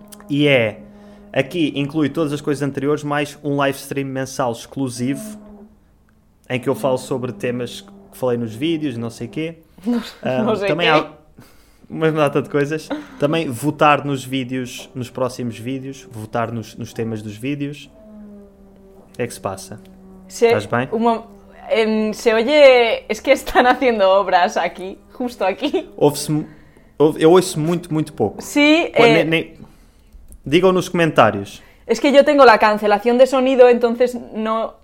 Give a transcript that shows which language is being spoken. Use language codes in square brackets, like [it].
[pt] E é, aqui inclui todas as coisas anteriores, mais um live stream mensal exclusivo, em que eu falo sobre temas que falei nos vídeos, não sei o quê. Não sei também quê. Há uma data de coisas. Também votar nos vídeos, nos próximos vídeos, votar nos temas dos vídeos. O que é que se passa? Estás bem? [es] Se oye, es que están haciendo obras aquí, justo aquí. [pt] Eu ouço muito, muito pouco. [es] Sí. Digo nos comentarios. Es que yo tengo la cancelación de sonido, entonces no...